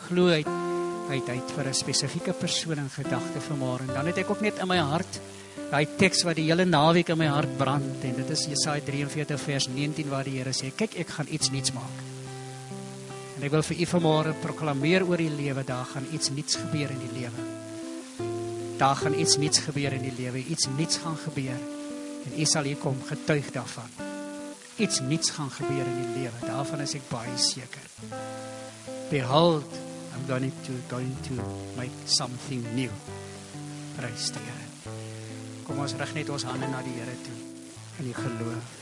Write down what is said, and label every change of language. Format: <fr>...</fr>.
<af>Glo hy het vir 'n spesifieke persoon in gedagte vanmôre. Dan het ek ook net in my hart daai teks wat die hele naweek in my hart brand en dit is Jesaja 43 vers 19 waar die Here sê, kyk ek gaan iets nuuts maak. En ek wil vir u vanmôre proklameer oor die lewe, daar gaan iets nuuts gebeur in die lewe. Daar gaan iets niets gebeur in die lewe, iets niets gaan gebeur. En jy sal hier kom getuig daarvan. Iets niets gaan gebeur in die lewe, daarvan is ek baie seker.</af> <en>Behold, I'm going to make something new.</en> <af>Prys die Here. Kom ons rig net ons hande na die Here toe in die geloof.</af>